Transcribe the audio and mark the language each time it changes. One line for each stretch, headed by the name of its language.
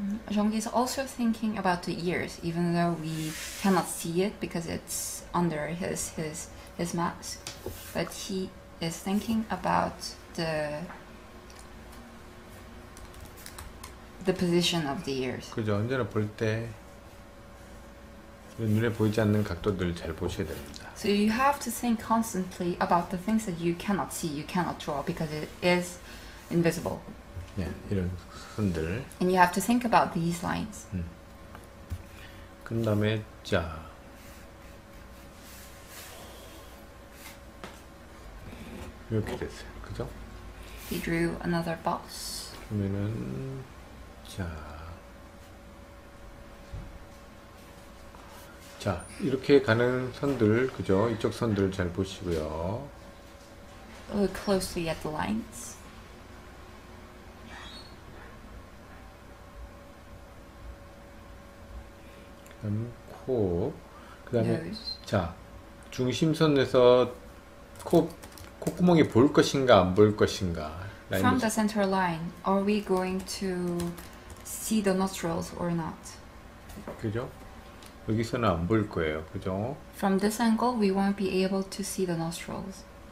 English: Zhang is also thinking about the ears, even though we cannot see it because it's under his mask. But he is thinking about the position of the ears.
Korean: 그죠? 언제나 볼때 눈에 보이지 않는 각도들을 잘 보셔야 됩니다.
English: So you have to think constantly about the things that you cannot see, you cannot draw because it is invisible.
Korean: 네, 이런 선들.
English: And you have to think about these lines.
Korean: 그다음에 자, 이렇게 됐어요. 그죠?
English: He drew another box.
Korean: 그러면은 자, 이렇게 가는 선들, 그죠? 이쪽 선들을 잘 보시고요.
English: Look closely at the lines.
Korean: 코, 그다음에
English: Nose.
Korean: 자, 중심선에서 콧구멍이 보일 것인가 안 보일 것인가 라인을
English: From the center line, are we going to see the nostrils or not?
Korean: 그죠? 여기서는 안 보일 거예요, 그죠?
English: From this angle, we won't be able to see the nostrils.